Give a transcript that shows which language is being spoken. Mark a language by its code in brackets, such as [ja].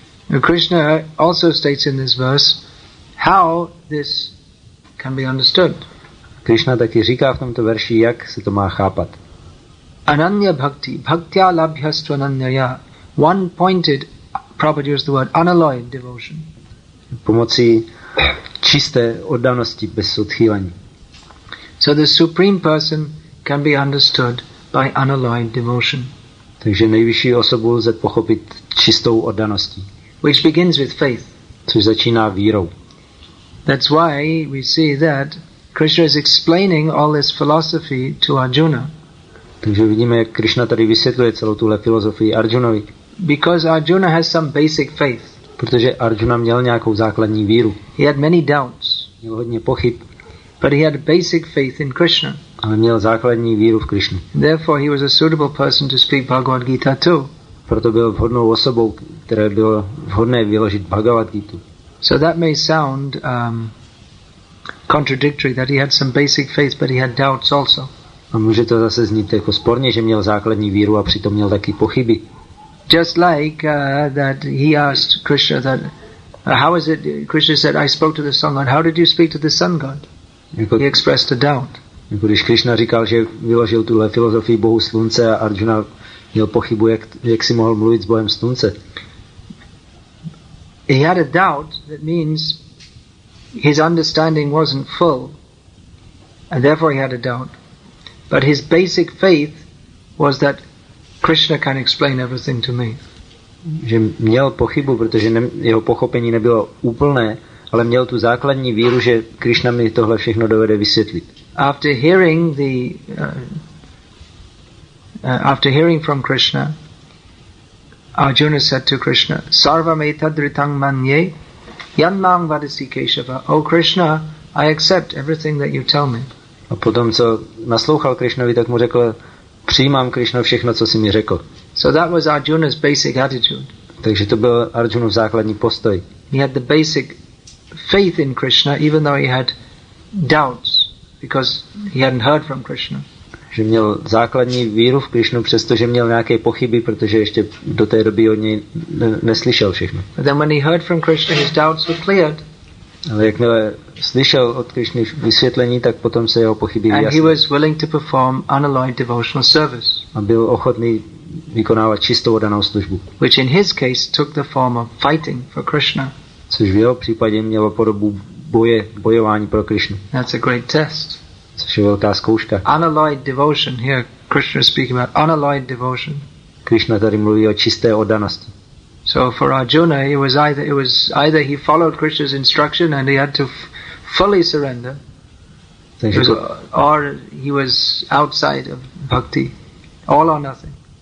[en] Now Krishna also states in this verse how this can be understood. [cs] Krishna taky říká v tomto verši, jak se to má chápat. [sa] Ananya bhakti, bhaktya labhyastva ananya. [en] One pointed, Prabhupada used the word unalloyed devotion. [cs] Pomocí čisté oddanosti bez odchýlení. [en] So the supreme person can be understood by unalloyed devotion. [cs] Takže nejvyšší osobu lze pochopit čistou oddaností. [en] Which begins with faith. [cs] Což začíná vírou. [en] That's why we see that Krishna is explaining all this philosophy to Arjuna. [cs] Takže vidíme, jak Krishna tady vysvětluje celou tuhle filozofii Arjunovi. [en] Because Arjuna has some basic faith. [cs] Protože Arjuna měl nějakou základní víru. [en] He had many doubts. [cs] Měl hodně pochyb. [en] But he had basic faith in Krishna. [cs] Ale měl základní víru v Krishnu. [en] Therefore he was a suitable person to speak Bhagavad Gita to. [cs] Proto byl vhodnou osobou, které bylo vhodné vyložit Bhagavad Gita. [en] So that may sound contradictory that he had some basic faith, but he had doubts also. [cs] A může to zase znít jako sporně, že měl základní víru a přitom měl taky pochyby. [en] Just like that he asked Krishna that how is it, Krishna said, I spoke to the sun god. How did you speak to the sun god? [cs] Jako, [en] he expressed a doubt. [cs] Jako když Krishna říkal, že vyložil tuhle filozofii Bohu slunce a Arjuna měl pochybu, jak si mohl mluvit s Bohem slunce. [en] He had a doubt, that means his understanding wasn't full, and therefore he had a doubt. But his basic faith was that Krishna can explain everything to me. [cs] Že měl pochybu, protože jeho pochopení nebylo úplné, ale měl tu základní víru, že Krishna mi tohle všechno dovede vysvětlit. [en] After hearing after hearing from Krishna, Arjuna said to Krishna, [sa] "Sarvam etadritang manye, yannam vadasi Keshava." [en] O Krishna, I accept everything that you tell me. [cs] A potom, co naslouchal Krishnovi, tak mu řekl, přijímám Krishna všechno, co si mi řekl. [en] So that was Arjuna's basic attitude. [cs] Takže to byl Arjunův základní postoj. [en] He had the basic faith in Krishna, even though he had doubts, because he hadn't heard from Krishna. [cs] Že měl základní víru v Krishnu, přestože měl nějaké pochyby, protože ještě do té doby o něj neslyšel všechno. [en] But then when he heard from Krishna, his doubts were cleared. [cs] Ale jakmile slyšel od Krishny vysvětlení, tak potom se jeho pochyby vyjasnily. [en] And he was willing to perform unalloyed devotional service. [cs] A byl ochotný vykonávat čistou oddanou službu. [en] Which in his case took the form of fighting for Krishna. [cs] Což v jeho případě mělo podobu bojování pro Krishnu. [en] That's a great test. [cs] Což je velká zkouška. [en] Unalloyed devotion. Here Krishna is speaking about unalloyed devotion. [cs] Krishna tady mluví o čisté oddanosti. [en] So for Arjuna, it was either he followed Krishna's instruction and he had to fully surrender, or he was outside of bhakti, all or nothing.